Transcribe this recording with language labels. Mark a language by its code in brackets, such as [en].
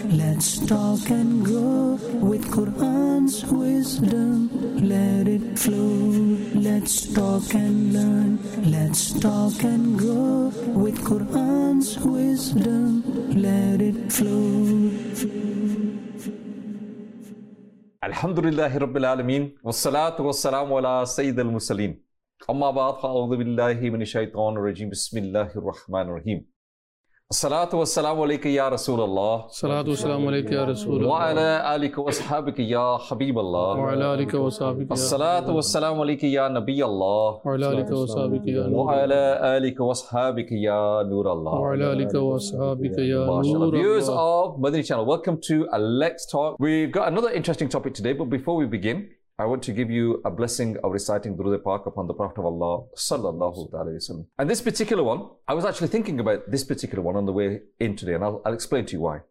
[en] Let's talk and grow with Quran's wisdom. Let it flow. Let's talk and learn. Let's talk and grow with Quran's wisdom. Let it flow. [ar] الحمد لله رب العالمين والصلاة والسلام على سيد المرسلين أما بعد فأعوذ بالله من الشيطان الرجيم بسم الله الرحمن الرحيم الصلاة والسلام عليك يا رسول الله الصلاة والسلام عليك يا رسول الله وعلى آلك وأصحابك يا حبيب الله وعلى آلك وأصحابك الصلاة والسلام عليك يا نبي الله وعلى آلك وأصحابك يا نور وعلى آلك وأصحابك يا نور الله وعلى آلك وأصحابك يا نور الله. [en] Viewers of Madani Channel, welcome to a Let's Talk. We've got another interesting topic today, but before we begin, I want to give you a blessing of reciting Durood e Pak upon the Prophet of Allah sallallahu alaihi wasallam. And this particular one, I was actually thinking about this particular one on the way in today, and I'll explain to you why.